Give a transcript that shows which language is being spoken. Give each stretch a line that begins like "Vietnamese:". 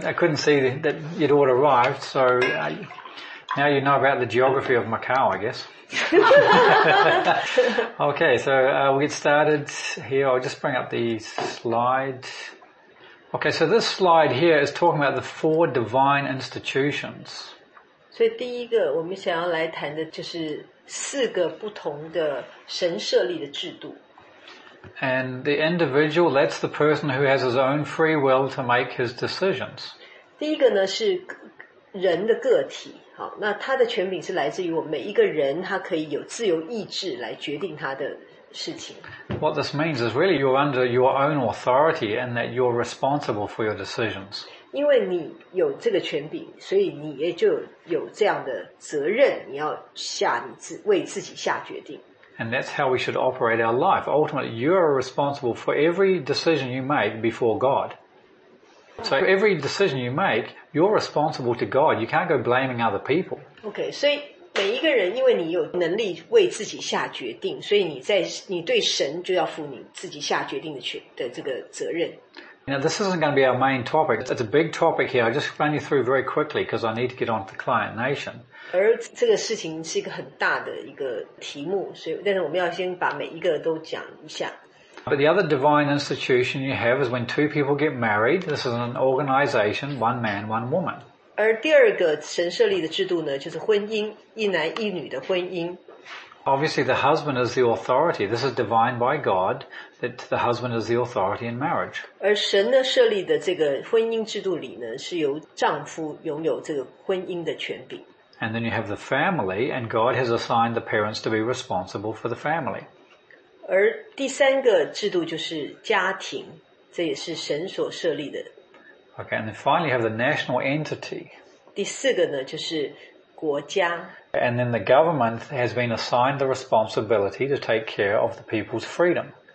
English: I couldn't see that you'd all arrived, so now you know about the geography of Macau, I guess. Okay, so we'll get started here. I'll just bring up the slide. Okay, so this slide here is talking about the four divine institutions.
Chinese: 所以第一个我们想要来谈的就是 四个不同的神设立的制度.
English: And the individual, that's the person who has his own free will to make his decisions.
Chinese: 第一个呢是人的个体, 好, 那他的权柄是来自于我们每一个人, 他可以有自由意志来决定他的事情.
English: What this means is really you're under your own authority and that you're responsible for your decisions.
Chinese: 因为你有这个权柄, 所以你也就有这样的责任, 你要下你自己下决定。
English: And that's how we should operate our life. Ultimately, you are responsible for every decision you make before God. So every decision you make, you're responsible to God. You can't go blaming other people.
Chinese: Okay, 所以每一个人因为你有能力为自己下决定, 所以你在你对神就要负你自己下决定的这个责任。
English: Now this isn't going to be our main topic. It's a big topic here. I'll just run you through very quickly because I need to get on to the client nation.
Chinese: 而这个事情是一个很大的一个题目, 所以但是我们要先把每一个都讲一下。
English: But the other divine institution you have is when two people get married. This is an organization, one man, one woman.
Chinese: 而第二个神设立的制度呢, 就是婚姻, 一男一女的婚姻。
English: Obviously, the husband is the authority. This is divine by God that the husband is the authority in marriage.
Chinese: 而神呢设立的这个婚姻制度里呢, 是由丈夫拥有这个婚姻的权柄。
English: And then you have the family, and God has assigned the parents to be responsible for the family.
Chinese: 而第三个制度就是家庭, 这也是神所设立的。
English: Okay, and then finally you have the national entity.
Chinese: 第四个呢, 就是国家。
English: And then the government has been assigned the responsibility to take care of the people's freedom.